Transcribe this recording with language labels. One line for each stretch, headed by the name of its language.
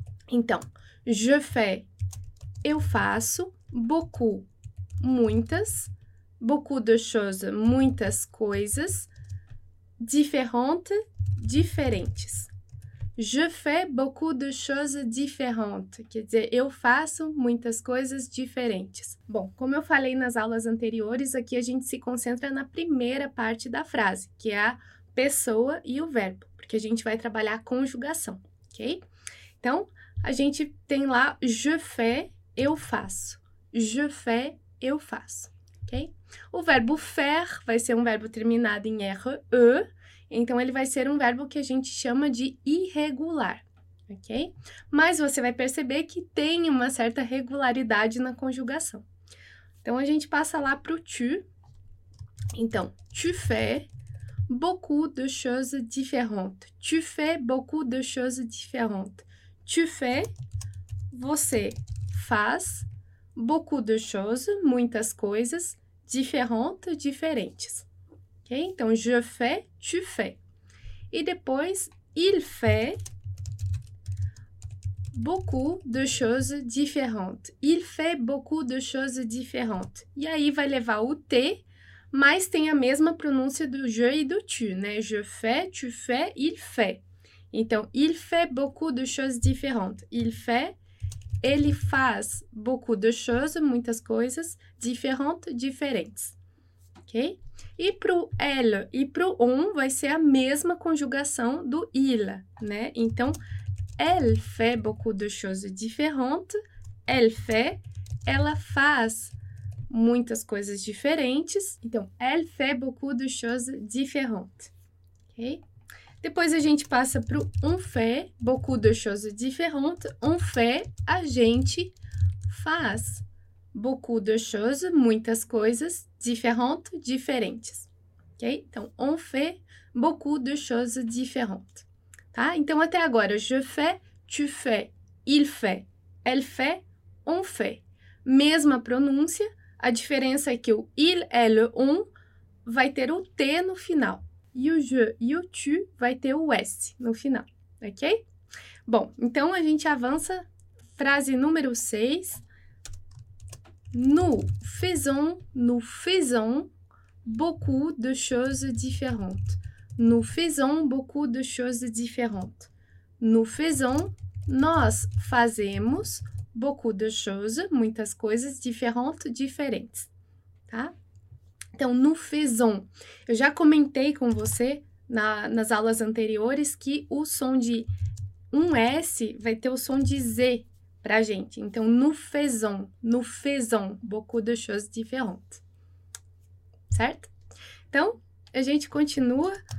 Portuguese: Então,
French: je fais,
Portuguese: eu faço, beaucoup, muitas,
French: beaucoup de choses,
Portuguese: muitas coisas,
French: différentes,
Portuguese: diferentes.
French: Je fais beaucoup de choses différentes.
Portuguese: Quer dizer, eu faço muitas coisas diferentes. Bom, como eu falei nas aulas anteriores, aqui a gente se concentra na primeira parte da frase, que é a pessoa e o verbo, porque a gente vai trabalhar a conjugação, ok? Então, a gente tem lá je fais, eu faço. Je fais, eu faço, ok? O verbo faire vai ser um verbo terminado em RE. Então, ele vai ser um verbo que a gente chama de irregular, ok? Mas você vai perceber que tem uma certa regularidade na conjugação. Então, a gente passa lá para o tu.
French: Então, tu fais beaucoup de choses différentes. Tu fais beaucoup de choses différentes. Tu fais,
Portuguese: você faz
French: beaucoup de choses,
Portuguese: muitas coisas,
French: différentes, diferentes.
Portuguese: Okay? Então, je fais, tu fais.
French: E depois, il fait beaucoup de choses différentes. Il fait beaucoup de choses différentes.
Portuguese: E aí vai levar o T, mas tem a mesma pronúncia do je e do tu, né?
French: Je fais, tu fais, il fait. Então, il fait beaucoup de choses différentes. Il fait,
Portuguese: ele faz
French: beaucoup de choses,
Portuguese: muitas coisas,
French: différentes, diferentes. Okay?
Portuguese: E para o elle e para o on vai ser a mesma conjugação do il, né?
French: Então, elle fait beaucoup de choses différentes. Elle fait,
Portuguese: ela faz muitas coisas diferentes.
French: Então, elle fait beaucoup de choses différentes.
Portuguese: Okay? Depois a gente passa para o
French: on fait beaucoup de choses différentes. On fait,
Portuguese: a gente faz
French: beaucoup de choses,
Portuguese: muitas coisas. Différentes, diferentes. Ok?
French: Então, on fait beaucoup de choses différentes.
Portuguese: Tá? Então, até agora,
French: je fais, tu fais, il fait, elle fait, on fait.
Portuguese: Mesma pronúncia, a diferença é que o il, elle, on vai ter o T no final. E o je e o tu vai ter o S no final. Ok? Bom, então a gente avança, frase número 6.
French: Nous faisons beaucoup de choses différentes. Nous faisons beaucoup de choses différentes. Nous faisons,
Portuguese: nós fazemos
French: beaucoup de choses,
Portuguese: muitas coisas
French: différentes, diferentes. Tá?
Portuguese: Então,
French: nous faisons.
Portuguese: Eu já comentei com você nas aulas anteriores que o som de um S vai ter o som de Z pra gente.
French: Então, nous faisons beaucoup de choses différentes. Certo?
Portuguese: Então, a gente continua.